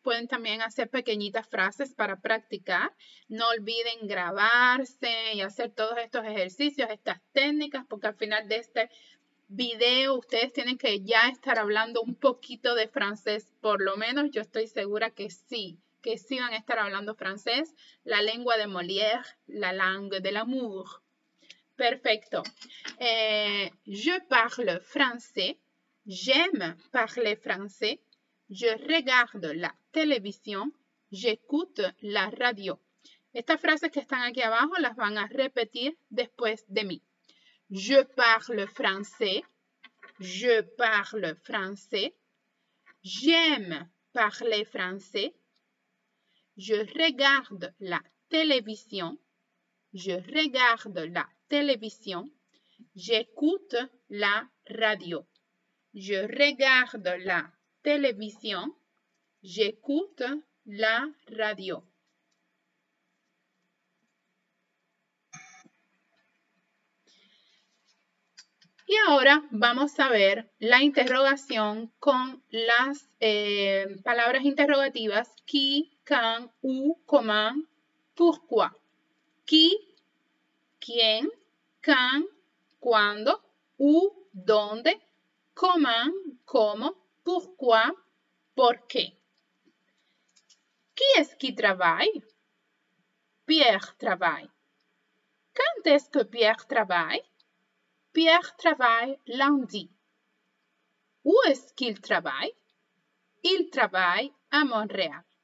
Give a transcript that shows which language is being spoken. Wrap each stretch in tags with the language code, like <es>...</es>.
<es>Pueden también hacer pequeñitas frases para practicar. No olviden grabarse y hacer todos estos ejercicios, estas técnicas, porque al final de este video, ustedes tienen que ya estar hablando un poquito de francés, por lo menos yo estoy segura que sí van a estar hablando francés, la lengua de Molière,</es> <fr>la langue de l'amour.</fr> <es>Perfecto.</es> <fr>Je parle français, j'aime parler français, je regarde la télévision, j'écoute la radio.</fr> <es>Estas frases que están aquí abajo las van a repetir después de mí.</es> <fr>Je parle français. Je parle français. J'aime parler français. Je regarde la télévision. Je regarde la télévision. J'écoute la radio. Je regarde la télévision. J'écoute la radio.</fr> <es>Y ahora vamos a ver la interrogación con las palabras interrogativas qui, quand, où, comment, pourquoi. Qui, quién, quand, cuándo, où, dónde, comment, cómo, pourquoi, por qué.</es> <fr>Qui est-ce qui travaille? Pierre travaille. Quand est-ce que Pierre travaille? Pierre travaille lundi. Où est-ce qu'il travaille? Il travaille à Montréal.</fr>